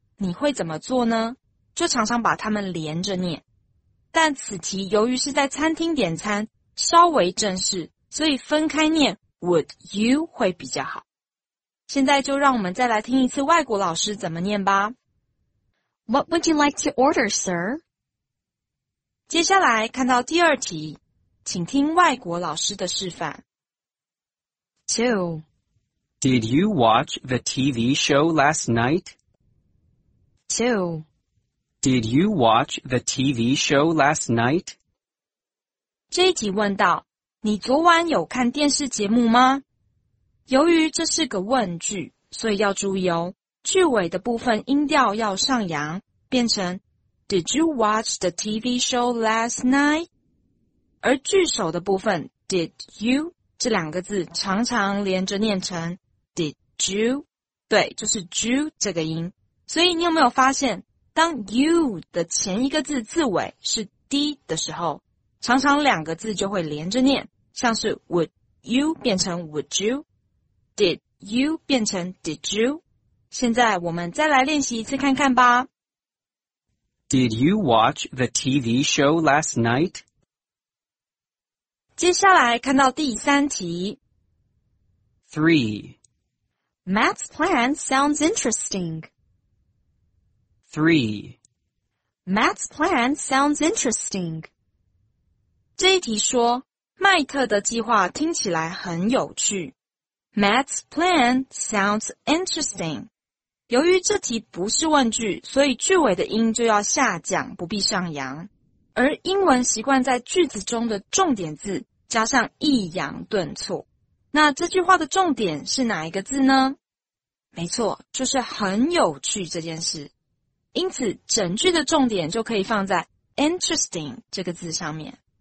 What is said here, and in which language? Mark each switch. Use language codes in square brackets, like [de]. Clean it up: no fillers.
[zh] 你会怎么做呢？就常常把它们连着念。但此题由于是在餐厅点餐，稍微正式，所以分开念 [en] "Would you" [zh] 会比较好。现在就让我们再来听一次外国老师怎么念吧。 [en] What would you like to order, sir? [zh] 接下来看到第二题。请听外国老师的示范。 [en] Two. Did you watch the TV show last night? Two. Did you watch the TV show last night? [zh] 这一题问到，你昨晚有看电视节目吗？由于这是个问句，所以要注意哦，句尾的部分音调要上扬，变成 [en] Did you watch the TV show last night? [zh] 而句首的部分 [en] "Did you" [zh] 这两个字常常连着念成 "Did you"，对，就是 "you" 这个音。所以你有没有发现，当 "you" 的前一个字字尾是 "d" 的时候，常常两个字就会连着念，像是 [en] "would you" [zh] 变成 "would you"， [en] "did you" [zh] 变成 "did you"。现在我们再来练习一次看看吧。 [en] Did you watch the TV show last night? [zh] 接下来看到第三题。 [en] Three. Matt's plan sounds interesting. Three. Matt's plan sounds interesting. [zh] 这一题说，麦特的计划听起来很有趣。 [en] Matt's plan sounds interesting. [zh] 由于这题不是问句，所以句尾的音就要下降，不必上扬。而英文习惯在句子中的重点字。加上抑扬顿挫，那这句话的重点是哪一个字呢？没错，就是很有趣这件事。因此，整句的重点就可以放在 interesting 这个字上面。